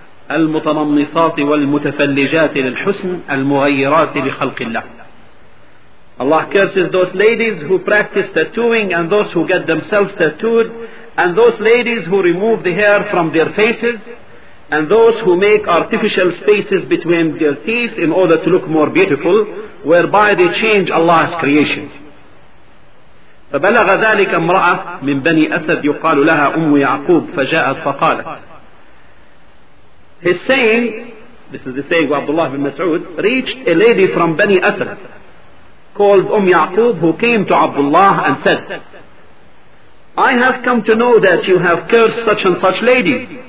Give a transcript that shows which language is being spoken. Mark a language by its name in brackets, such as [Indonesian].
[Arabic] المتنمصات والمتفلجات للحسن المغيرات لخلق الله. [English] Allah curses those ladies who practice tattooing and those who get themselves tattooed and those ladies who remove the hair from their faces and those who make artificial spaces between their teeth in order to look more beautiful, whereby they change Allah's creation. [Arabic] فبلغ ذلك امرأة من بني أسد يقال لها أم يعقوب فجاءت فقالت. [English] His saying, this is the saying of Abdullah bin Mas'ud, reached a lady from Bani Asad called Umm Ya'qub, who came to Abdullah and said, I have come to know that you have cursed such and such ladies.